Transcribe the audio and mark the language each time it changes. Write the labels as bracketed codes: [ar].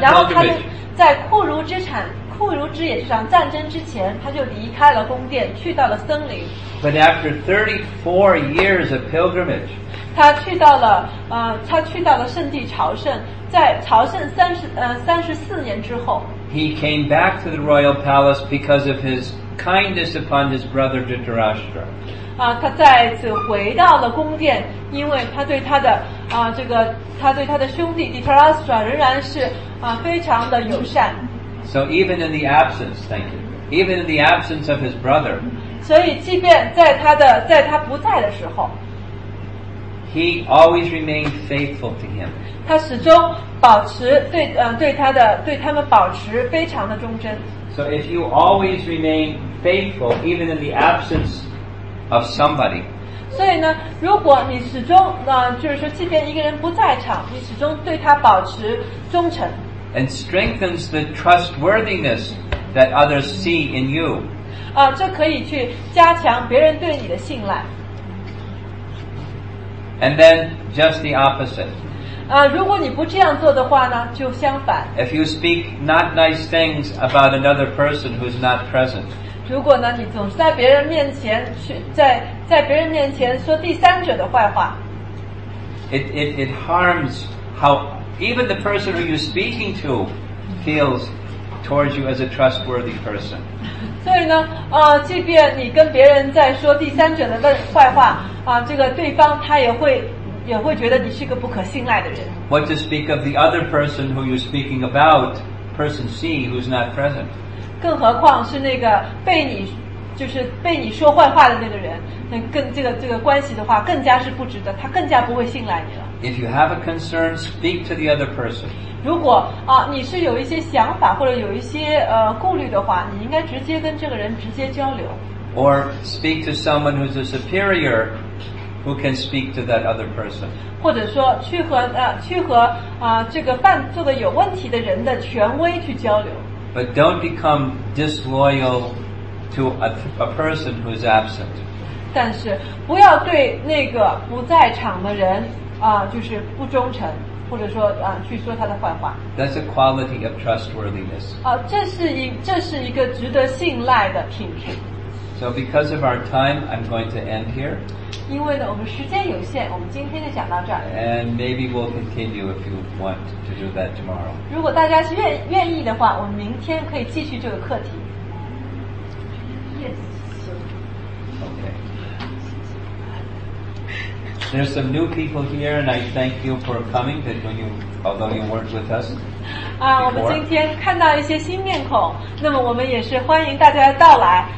[zh] 然后他们在库如之野这场战争之前，他就离开了宫殿，去到了森林。 [en] But after 34 years of pilgrimage, [zh] 他去到了圣地朝圣，在朝圣三十四年之后 [en] ，He came back to the royal palace because of his. Kindness upon his brother Dhritarashtra. [zh] 他再次回到了宫殿，因为他对他的他对他的兄弟 Dhritarashtra 仍然是非常的友善。 [en] So even in the absence, thank you. Even in the absence of his brother. [zh] 所以，即便在他不在的时候 [en] ，He always remained faithful to him. [zh] 他始终保持对他们保持非常的忠贞。 [en] So if you always remain faithful, even in the absence of somebody, [zh] 所以呢，如果你始终就是说，即便一个人不在场，你始终对他保持忠诚 [en] ，and strengthens the trustworthiness that others see in you. [zh] 啊，这可以去加强别人对你的信赖。 [en] And then just the opposite. [zh] 啊，如果你不这样做的话呢，就相反。 [en] If you speak not nice things about another person who's not present, [zh] 如果呢你总是在别人面前去在别人面前说第三者的坏话， [en] it harms how even the person who you're speaking to feels towards you as a trustworthy person. [zh] 所以呢，即便你跟别人在说第三者的坏话，这个对方他也会觉得你是个不可信赖的人。 [en] What to speak of the other person who you're speaking about, person C, who's not present? [zh] 更何况是那个被你就是被你说坏话的那个人，那更这个关系的话，更加是不值得，他更加不会信赖你了。 [en] If you have a concern, speak to the other person. [zh] 如果你是有一些想法或者有一些顾虑的话，你应该直接跟这个人直接交流。 [en] Or speak to someone who's a superior, who can speak to that other person. [zh] 或者说去和这个犯做的有问题的人的权威去交流。 [en] But don't become disloyal to a person who's absent. [zh] 但是不要对那个不在场的人。就是不忠诚，或者说去说他的坏话。 [en] That's a quality of trustworthiness. [zh] 这是一个值得信赖的品质。 [en] So because of our time, I'm going to end here. [zh] 因为呢，我们时间有限，我们今天就讲到这儿。 [en] And maybe we'll continue if you want to do that tomorrow. [zh] 如果大家是愿意的话，我们明天可以继续这个课题。 [en] Yes. Okay. There's some new people here, and I thank you for coming. That when you, although you weren't with us, before. [zh] 我们今天看到一些新面孔，那么我们也是欢迎大家的到来。